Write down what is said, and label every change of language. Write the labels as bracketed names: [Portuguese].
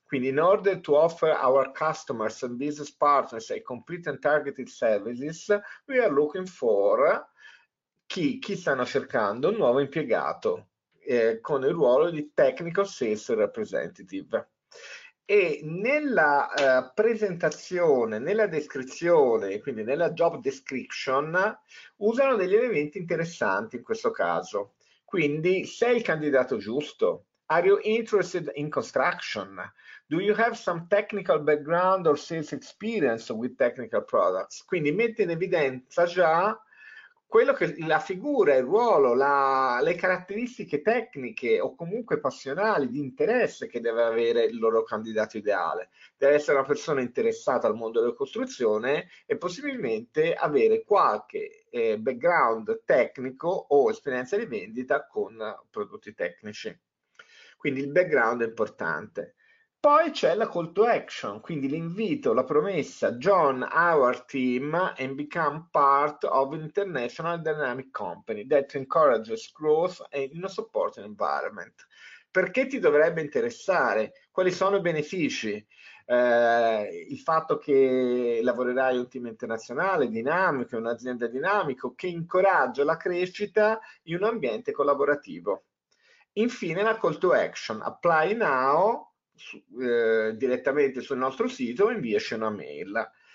[Italian] Quindi, [English] in order to offer our customers and business partners a complete and targeted services, we are looking for [Italian] chi stanno cercando un nuovo impiegato con il ruolo di [English] Technical Sales Representative. [Italian] E nella presentazione, nella descrizione, quindi nella job description, usano degli elementi interessanti in questo caso. Quindi, sei il candidato giusto? [English] Are you interested in construction? Do you have some technical background or sales experience with technical products? [Italian] Quindi mette in evidenza già quello che, la figura, il ruolo, le caratteristiche tecniche o comunque passionali di interesse che deve avere il loro candidato ideale. Deve essere una persona interessata al mondo della costruzione e possibilmente avere qualche background tecnico o esperienza di vendita con prodotti tecnici. Quindi il background è importante. Poi c'è la call to action, quindi l'invito, la promessa: [English] Join our team and become part of an international dynamic company that encourages growth in a supporting environment. [Italian] Perché ti dovrebbe interessare? Quali sono i benefici? Il fatto che lavorerai in un team internazionale, dinamico, un'azienda dinamico che incoraggia la crescita in un ambiente collaborativo. Infine la call to action, [English] apply now [Italian] direttamente sul nostro sito o inviaci una mail.